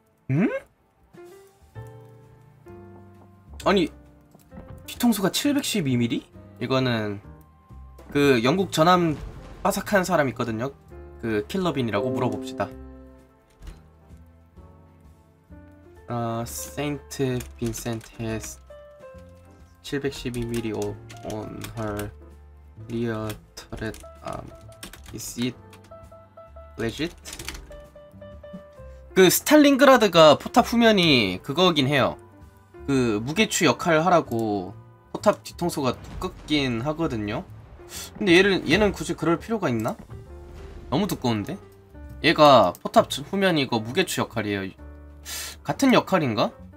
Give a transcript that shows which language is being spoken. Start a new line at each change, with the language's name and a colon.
Korean: 응? 아니 뒤통수가 712mm? 이거는 그 영국 전함 빠삭한 사람 있거든요. 그 킬러빈이라고 물어봅시다.
English: 아 세인트 빈센테스 712mm on her rear turret is it legit?
Korean: 그 스탈링그라드가 포탑 후면이 그거긴 해요. 그 무게추 역할을 하라고 포탑 뒤통수가 두껍긴 하거든요. 근데 얘는 굳이 그럴 필요가 있나? 너무 두꺼운데? 얘가 포탑 후면이고 무게추 역할이에요. 같은 역할인가?